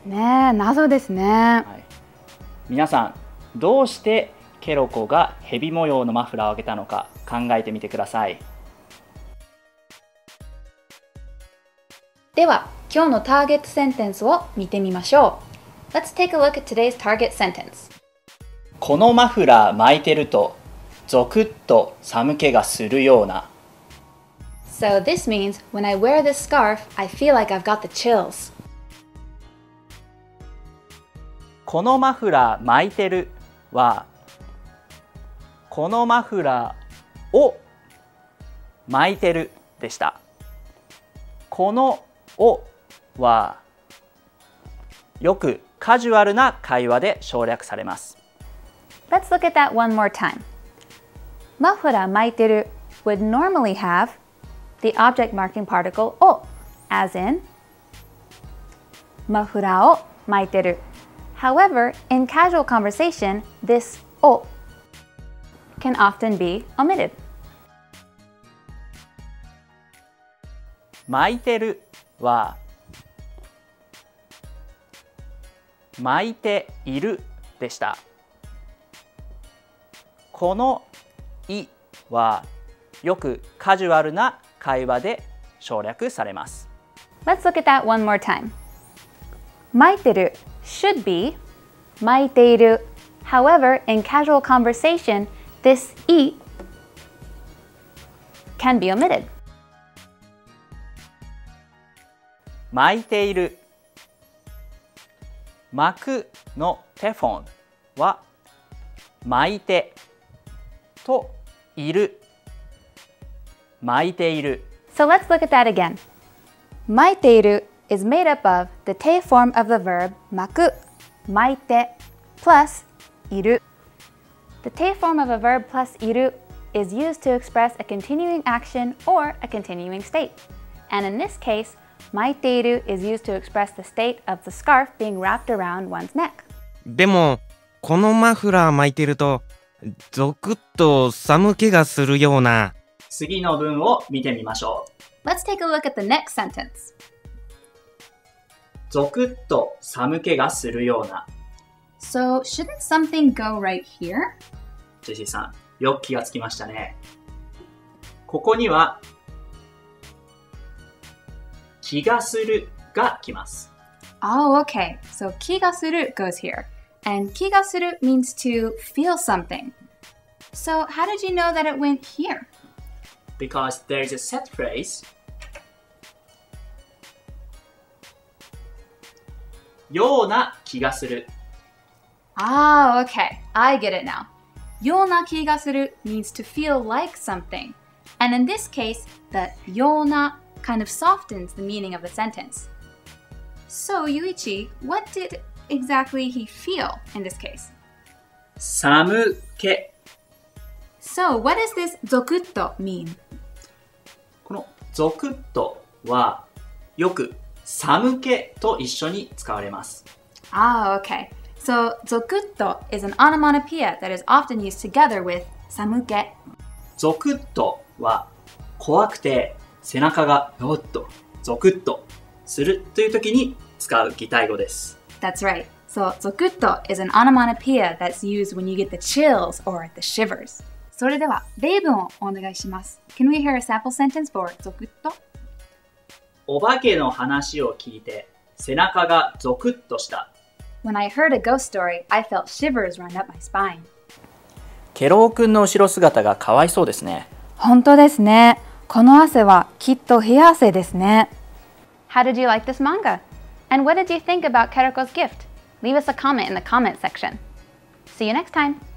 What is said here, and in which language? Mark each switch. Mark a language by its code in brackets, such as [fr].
[ja] ねえ、謎ですね、はい、皆さん、どうしてケロコが蛇模様のマフラーをあげたのか考えてみてください。では、今日のターゲットセンテンスを見てみましょう。 [en] Let's take a look at today's target sentence. [ja] このマフラー巻いてるとゾクッと寒気がするような。 [en] So this means when I wear this scarf, I feel like I've got the chills. [ja] このマフラー巻いてるはこのマフラーを巻いてるでした。このをはよくカジュアルな会話で省略されます。 [en] Let's look at that one more time. [ja] マフラー巻いてる [en] would normally have the object marking particle を as in [ja] マフラーを巻いてる。 [en] However, in casual conversation, this を can often be omitted. [ja] 巻いてるは巻いているでした。このいはよくカジュアルな会話で省略されます。 [en] Let's look at that one more time. 巻いてる should be 巻いている。 However, in casual conversation, this い can be omitted. [ja] 巻いている巻くのテフォンは巻いてといる巻いている。 [en] So let's look at that again. 巻いている is made up of the te form of the verb 巻く巻いて plus いる。 The te form of a verb plus いる is used to express a continuing action or a continuing state. And in this case,巻いている is used to express the state of the scarf being wrapped around one's neck. [ja] でも、このマフラー巻いてると、ゾクッと寒気がするような。次の文を見てみましょう。 Let's take a look at the next sentence. ゾクッと寒気がするような。 [en] So, shouldn't something go right here? [ja] ジェシーさん、よく気がつきましたね。ここには、気がするが来ます。 [en] Oh, okay. So, 気がする goes here. And 気がする means to feel something. So, how did you know that it went here? Because there's a set phrase. [ja] ような気がする。 [en] Oh, okay. I get it now. ような気がする means to feel like something. And in this case, the ようなkind of softens the meaning of the sentence. So, Yuichi, what did exactly he feel in this case? [ja] 寒気。 [en] So, what does this ゾクッと mean? [ja] このゾクッとはよく寒気と一緒に使われます。 [en] Ah, okay. So, ゾクッと is an onomatopoeia that is often used together with 寒気。 [ja] ゾクッとは怖くて背中がよっとゾクッとするという時に使う擬態語です。 [en] That's right. So, ゾクッと is an onomatopoeia that's used when you get the chills or the shivers. [ja] それでは例文をお願いします。 [en] Can we hear a sample sentence for ゾクッと? [ja] お化けの話を聞いて背中がゾクッとした。 [en] When I heard a ghost story, I felt shivers run up my spine. [ja] ケロウ君の後ろ姿がかわいそうですね。本当ですね。この汗はきっと冷や汗ですね。 [en] How did you like this manga? And what did you think about Keroko's gift? Leave us a comment in the comment section. See you next time.